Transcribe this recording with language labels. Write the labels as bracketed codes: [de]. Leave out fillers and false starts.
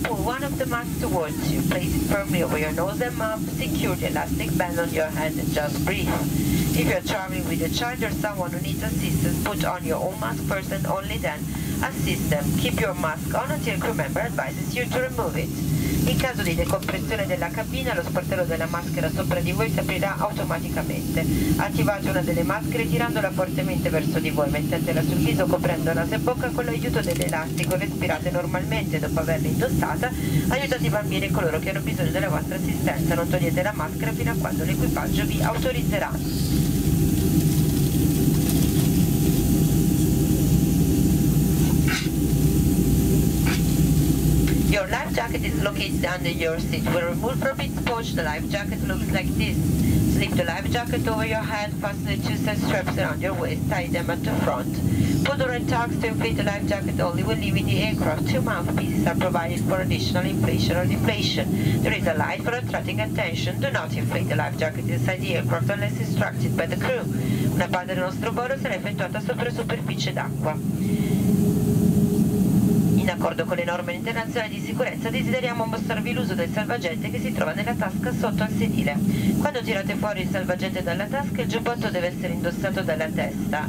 [en] Pull one of the masks towards you. Place it firmly over your nose and mouth. Secure the elastic band on your hand and just breathe. If you're traveling with a child or someone who needs assistance, put on your own mask first and only then assist them. Keep your mask on until a crew member advises you to remove it. [it] In caso di decompressione della cabina, lo sportello della maschera sopra di voi si aprirà automaticamente. Attivate una delle maschere tirandola fortemente verso di voi, mettetela sul viso coprendo naso e bocca con l'aiuto dell'elastico. Respirate normalmente dopo averla indossata. Aiutate i bambini e coloro che hanno bisogno della vostra assistenza. Non togliete la maschera fino a quando l'equipaggio vi autorizzerà. [en] Your life jacket is located under your seat. When removed from its pouch, the life jacket looks like this. Slip the life jacket over your head, fasten the two set straps around your waist, tie them at the front. Put on a tag to inflate the life jacket only when leaving the aircraft. Two mouthpieces are provided for additional inflation or deflation. There is a light for attracting attention. Do not inflate the life jacket inside the aircraft unless instructed by the crew. [it] Una parte del nostro volo sarà effettuata sopra superficie d'acqua. In accordo con le norme internazionali di sicurezza, desideriamo mostrarvi l'uso del salvagente che si trova nella tasca sotto al sedile. Quando tirate fuori il salvagente dalla tasca, il giubbotto deve essere indossato dalla testa.